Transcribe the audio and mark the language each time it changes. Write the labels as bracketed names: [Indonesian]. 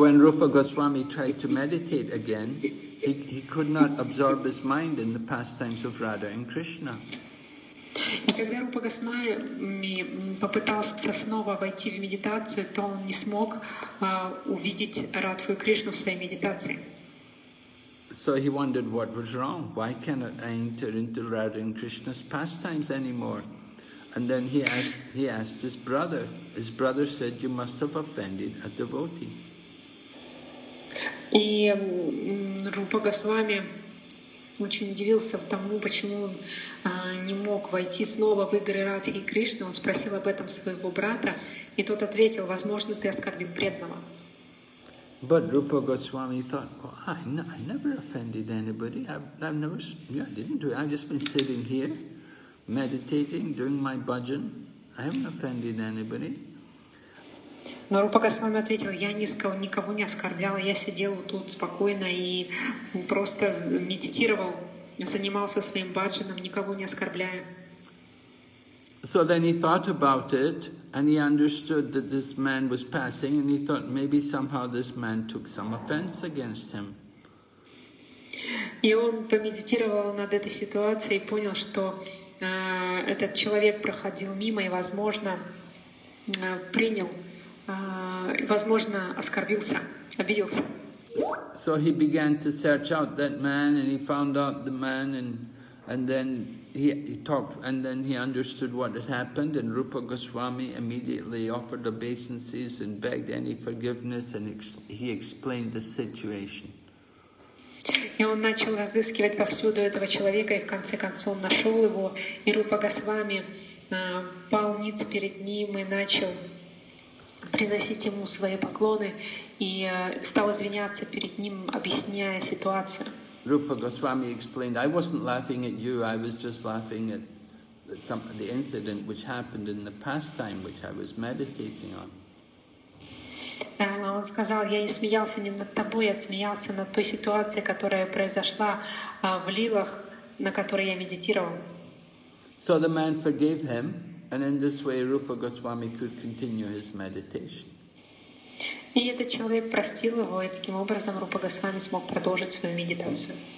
[English] when Rupa Goswami tried to meditate again, he could not absorb his mind in the pastimes of Radha and Krishna. [Russian] И когда Рупа Госвами попытался снова войти в медитацию, то он не смог увидеть Радху и Кришну в своей медитации. [English] So he wondered what was wrong. Why cannot I enter into Radha and Krishna's pastimes anymore? And then he asked his brother. His brother said, "You must have offended a devotee." [Russian] И Рупа Госвами очень удивился тому, почему он не мог войти снова в игры Радхи и Кришны. Он спросил об этом своего брата, и тот ответил: "Возможно, ты оскорбил преданного." [English] But Rupa Goswami thought, "Well, I never offended anybody. I didn't do it. I've just been sitting here, meditating, doing my bhajan. I haven't offended anybody." [Russian] Но Рупа Госвами ответил: "Я никого не оскорблял. Я сидел тут спокойно и просто медитировал, занимался своим бхаджаном, никого не оскорбляя." [English] So then he thought about it, and he understood that this man was passing, and he thought maybe somehow this man took some offense against him. [Russian] И он помедитировал над этой ситуацией и понял, что этот человек проходил мимо и, возможно, принял. Возможно, оскорбился, обиделся. [English] So he began to search out that man, and he found out the man, and then he understood what had happened, and Rupa Goswami immediately offered obeisances and begged any forgiveness, and he explained the situation. [Russian] И он начал разыскивать повсюду этого человека, и в конце концов нашел его, и Рупа Госвами пал ниц перед ним и начал приносить ему свои поклоны и стал извиняться перед ним, объясняя ситуацию. [English] Rupa Goswami explained, "I wasn't laughing at you, I was just laughing at the incident which happened in the pastime which I was meditating on." [Russian] Он сказал: "Я не смеялся не над тобой, я смеялся над той ситуацией, которая произошла в лилах, на которой я медитировал." [English] So the man forgave him. And in this way, Rupa Goswami could continue his meditation. [Russian] И этот человек простил его, и таким образом Рупа Госвами смог продолжить свою медитацию.